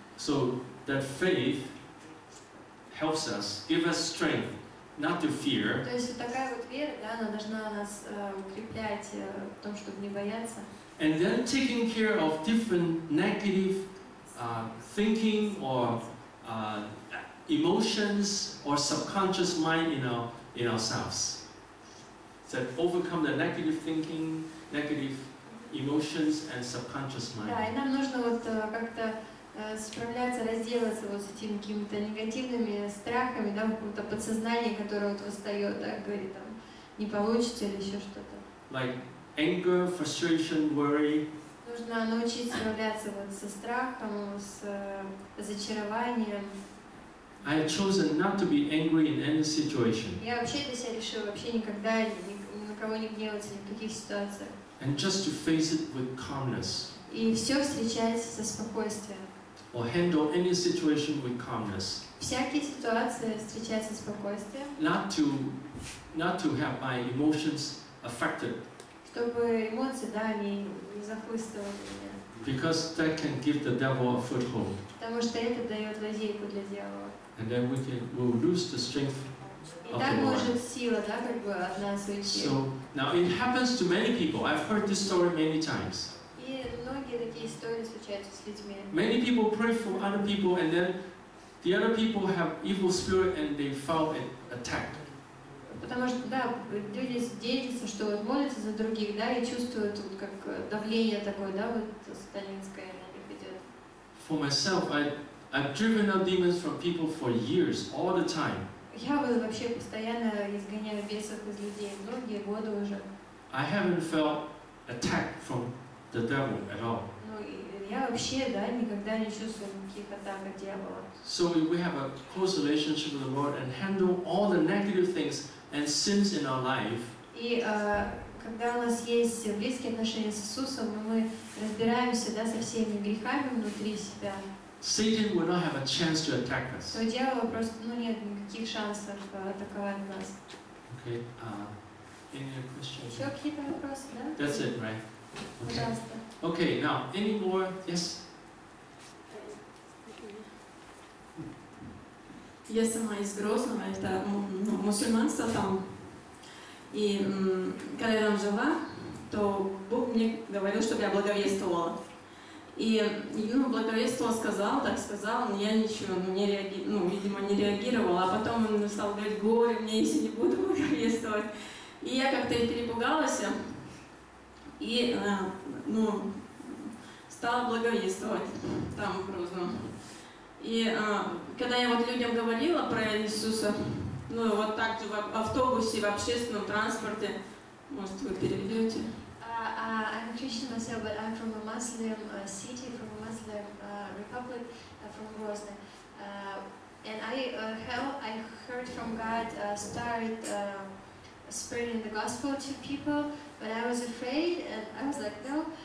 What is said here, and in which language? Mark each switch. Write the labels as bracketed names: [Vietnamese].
[English] So that faith helps us, give us strength not to fear. [Russian] То есть такая вот вера, да, она должна нас укреплять в том, чтобы не бояться. [English] And then taking care of different negative thinking or emotions or subconscious mind in ourselves. That overcome the negative thinking, negative emotions and subconscious mind. [Russian] Да, и нам нужно вот как-то справляться, разделаться вот с этими какими-то негативными страхами, да, какое-то подсознание, которое вот восстает, да, говорит там, не получится или еще что-то. [English] Like anger, frustration, worry. [Russian] Нужно научиться справляться вот со страхом, с разочарованием. [English] I have chosen not to be angry in any situation. [Russian] Я вообще для себя решил вообще никогда ни на кого не гневаться ни в каких ситуациях. [English] And just to face it with calmness. [Russian] И все встречать со спокойствием. [English] or handle any situation with calmness. [Russian] Всякие ситуации встречаются спокойствием. [English] Not to have my emotions affected. [Russian] Чтобы эмоции, да, не захлыстывали меня. [English] Because that can give the devil a foothold. [Russian] Потому что это дает лазейку для дьявола. [English] And then we'll lose the strength. [Russian] И так может сила, да, как бы от нас уйти. [English] So now it happens to many people. I've heard this story many times. [Russian] И многие такие истории случаются с людьми. [English] Many people pray for other people, and then the other people have evil spirit, and they fall attacked. [Russian] Потому что да, люди делятся, что вот молятся за других, да, и чувствуют вот как давление такое, да, вот сатанинское на них идет. [English] For myself, I've driven out demons from people for years, all the time. [Russian] Я вообще постоянно изгоняю бесов из людей многие годы уже. [English] I haven't felt attacked from the devil at all. [Russian] Ну я вообще, да, никогда не чувствую никаких атак от дьявола. [English] So we have a close relationship with the Lord and handle all the negative things and sins in our life. [Russian] И когда у нас есть близкие отношения с Иисусом, мы разбираемся, да, со всеми грехами внутри себя. [English] Satan will not have a chance to attack us. [Russian] То дьявол просто, ну нет никаких шансов атаковать нас. [English] Okay. Any other questions? [Russian] Еще какие-то вопросы, да? [English] That's it, right? [Russian] Пожалуйста. [English] Okay. Now, any more? Yes. [Russian] Я сама из Грозного, это мусульманство там. И когда я там жила, то Бог мне говорил, чтобы я благовествовала. И, ну, благовествовал, сказал, так сказал, но я ничего, не реагировала. А потом он стал говорить: горе мне, если не буду благовествовать. И я как-то и перепугалась, и, ну, стала благовествовать там, в Грозном. И когда я вот людям говорила про Иисуса, ну, вот так же в автобусе, в общественном транспорте, может, вы переведете? [English] I'm a Christian myself, but I'm from a Muslim city, from a Muslim republic, from Grozny. And I heard from God, started spreading the gospel to people, but I was afraid, and I was like, no.